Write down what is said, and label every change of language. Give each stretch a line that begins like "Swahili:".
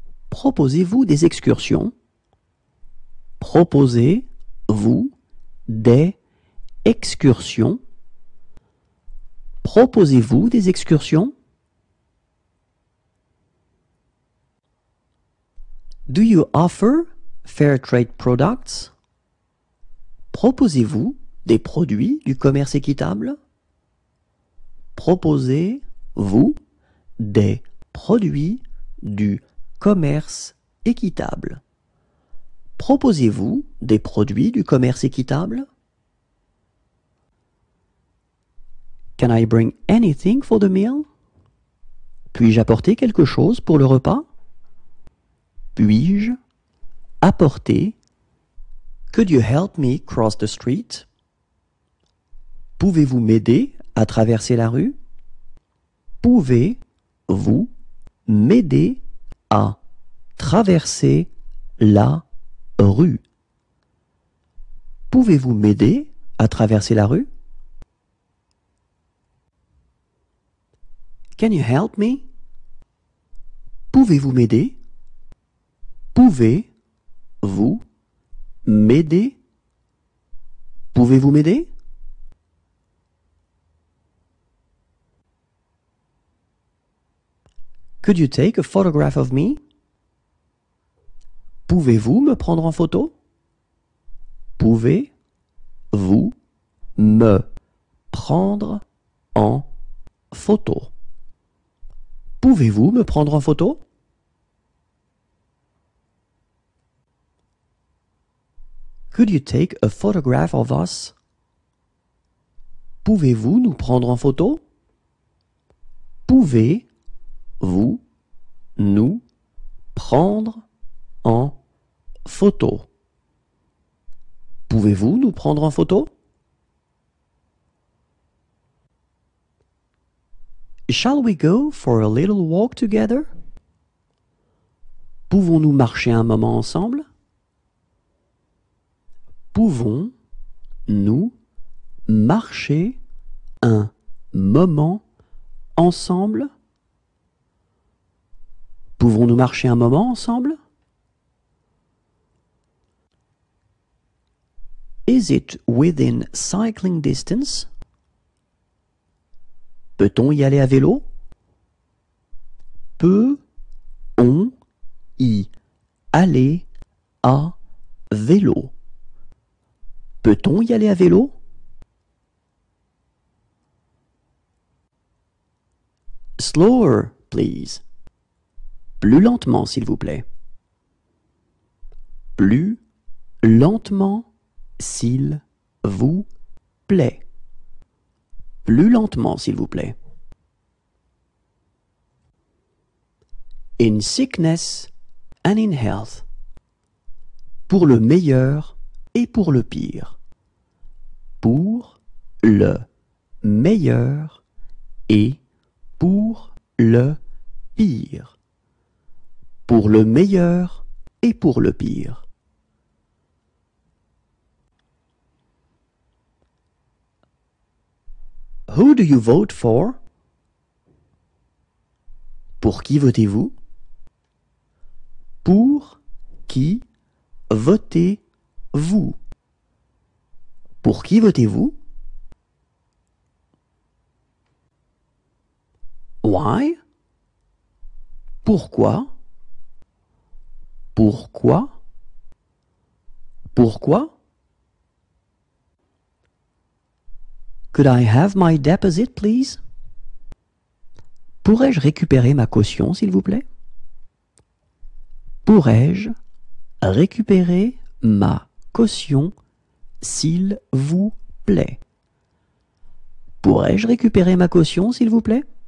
French: Proposez-vous des excursions? Proposez-vous des excursions? Proposez-vous des excursions?
English: Do you offer fair trade products?
French: Proposez-vous des produits du commerce équitable? Proposez-vous des produits du commerce équitable? Proposez-vous des produits du commerce équitable?
English: Can I bring anything for the meal?
French: Puis-je apporter quelque chose pour le repas? Puis-je apporter?
English: Could you help me cross the street?
French: Pouvez-vous m'aider à traverser la rue? Pouvez-vous m'aider à traverser la rue? Pouvez-vous m'aider à traverser la rue?
English: Can you help me?
French: Pouvez-vous m'aider? Pouvez-vous m'aider? Pouvez-vous m'aider?
English: Could you take a photograph of me?
French: Pouvez-vous me prendre en photo? Pouvez-vous me prendre en photo? Pouvez-vous me prendre en photo? Pouvez-vous me prendre en photo?
English: Could you take a photograph of us?
French: Pouvez-vous nous prendre en photo? Pouvez-vous nous prendre en photo? Pouvez-vous nous prendre en photo?
English: Shall we go for a little walk together?
French: Pouvons-nous marcher un moment ensemble? Pouvons-nous marcher un moment ensemble? Pouvons-nous marcher un moment ensemble?
English: Is it within cycling distance?
French: Peut-on y aller à vélo? Peut-on y aller à vélo? Peut-on y aller à vélo?
English: Slower, please.
French: Plus lentement, s'il vous plaît. Plus lentement, s'il vous plaît. Plus lentement, s'il vous plaît.
English: In sickness and in health.
French: Pour le meilleur et pour le pire. Pour le meilleur et pour le pire. Pour le meilleur et pour le pire.
English: Who do you vote for?
French: Pour qui votez-vous? Pour qui votez-vous? Pour qui votez-vous?
English: Why?
French: Pourquoi? Pourquoi? Pourquoi?
English: Could I have my deposit, please?
French: Pourrais-je récupérer ma caution, s'il vous plaît? Pourrais-je récupérer ma caution, s'il vous plaît? Pourrais-je récupérer ma caution, s'il vous plaît?